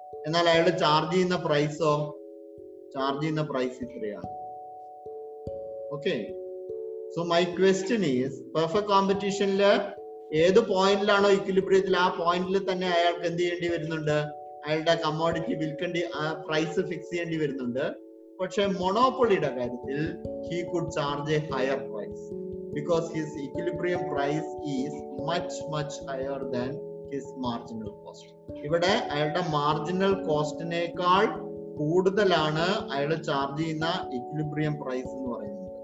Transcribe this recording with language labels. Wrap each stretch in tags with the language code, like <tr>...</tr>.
<ml>എന്നാൽ അയാളുടെ ചാർജ് ചെയ്യുന്ന പ്രൈസോ? ചാർജ് ചെയ്യുന്ന പ്രൈസ് ഇത്രയാണ്. Okay,</ml> <en>so my question is,</en> <ml>perfect കോമ്പറ്റീഷനില് ഏത് പോയിന്റിലാണോ ഇക്വിലിബ്രിയത്തിൽ, ആ പോയിന്റിൽ തന്നെ അയാൾക്ക് എന്ത് ചെയ്യേണ്ടി വരുന്നുണ്ട്? അയാളുടെ കമ്മോഡിറ്റി വിൽക്കേണ്ടി, ആ പ്രൈസ് ഫിക്സ് ചെയ്യേണ്ടി വരുന്നുണ്ട്. പക്ഷെ മോണോപോളിയുടെ കാര്യത്തിൽ</ml> <en>he could charge a higher price because his equilibrium price is much higher than his marginal cost.</en> <ml>ഇവിടെ അയാളുടെ മാർജിനൽ കോസ്റ്റിനേക്കാൾ കൂടുതലാണ് അയാൾ ചാർജ് ചെയ്യുന്ന ഇക്വിലിബ്രിയം പ്രൈസ് എന്ന് പറയുന്നത്.</ml>